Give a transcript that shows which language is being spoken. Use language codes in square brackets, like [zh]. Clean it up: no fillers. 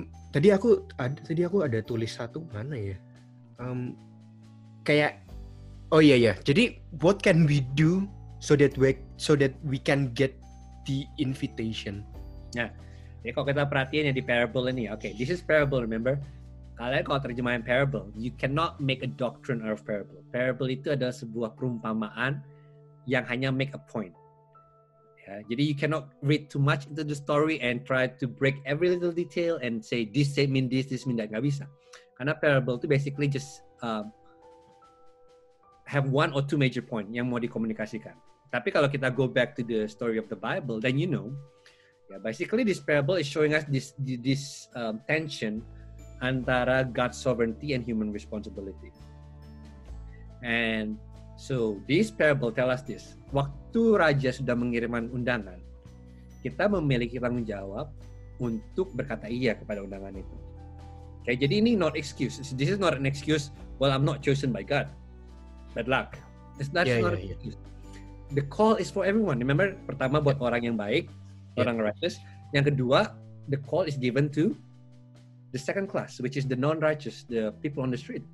[id] tadi aku ada tulis satu mana ya. Kayak. [en] Jadi what can we do so that we can get the invitation? [id] Yeah. Jadi kalau kita perhatiin ya di parable ini, [en] okay, this is parable, remember? [id] Kalian kalau terjemahin [en] parable, you cannot make a doctrine out of parable. [id] Parable itu adalah sebuah perumpamaan yang hanya [en] make a point. Ya, jadi you cannot read too much into the story and try to break every little detail and say this mean this mean that, [id] nggak bisa. [en] Karena parable itu basically just have one or two major point [id] yang mau dikomunikasikan. Tapi kalau kita [en] go back to the story of the Bible, then you know. Yeah, basically this parable is showing us this tension antara God's sovereignty and human responsibility. And so this parable tell us this. [id] Waktu raja sudah mengirimkan undangan, kita memiliki tanggung jawab untuk berkata iya kepada undangan itu. [en] Okay, [id] jadi ini [en] not excuse. This is not an excuse. Well, I'm not chosen by God. Bad luck. The call is for everyone. Remember, [id] pertama buat orang yang baik, orang righteous. Yang kedua, [en] the call is given to the second class, which is the non-righteous, the people on the street.